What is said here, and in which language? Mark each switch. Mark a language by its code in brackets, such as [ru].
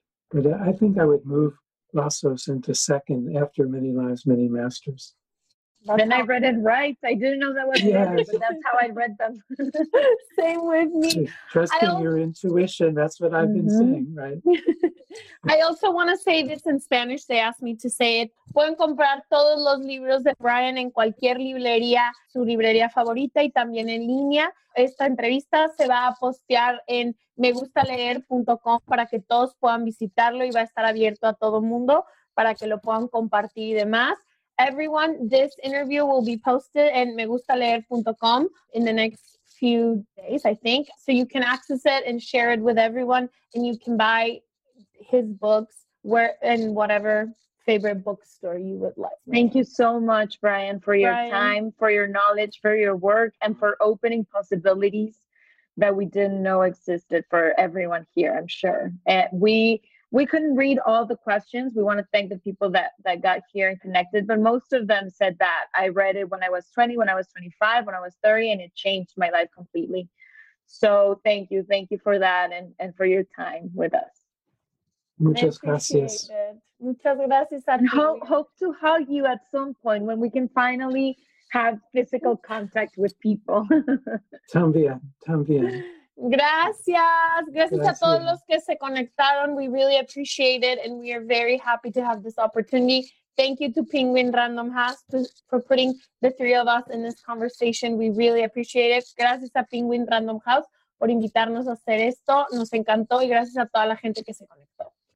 [en] But I think I would move Lazos into second after Many Lives, Many Masters. Then I read it right. I didn't know that was yes. Better, but that's how I read them. Same with me. Trust in your intuition. That's what I've been saying, right? I also want to say this in Spanish. They asked me to say it. [es] Pueden comprar todos los libros de Brian en cualquier librería, su librería favorita, y también en línea. Esta entrevista se va a postear en megustaleer.com para que todos puedan visitarlo, y va a estar abierto a todo mundo para que lo puedan compartir y demás. [en] Everyone, this interview will be posted in megustaleer.com in the next few days, I think. So you can access it and share it with everyone, and you can buy his books where in whatever favorite bookstore you would like. Thank you so much, Brian, for your time, for your knowledge, for your work, and for opening possibilities that we didn't know existed for everyone here, I'm sure. And we we couldn't read all the questions. We want to thank the people that got here and connected, but most of them said that I read it when I was 20, when I was 25, when I was 30, and it changed my life completely. So thank you. Thank you for that and for your time with us. [es] Muchas gracias. Muchas gracias a ti. [en] Hope to hug you at some point when we can finally have physical contact with people. [es] También. Gracias. Gracias a todos los que se conectaron. [en] We really appreciate it, and we are very happy to have this opportunity. Thank you to Penguin Random House for putting the three of us in this conversation. We really appreciate it. [es] Gracias a Penguin Random House por invitarnos a hacer esto. Nos encantó, y gracias a toda la gente que se conectó.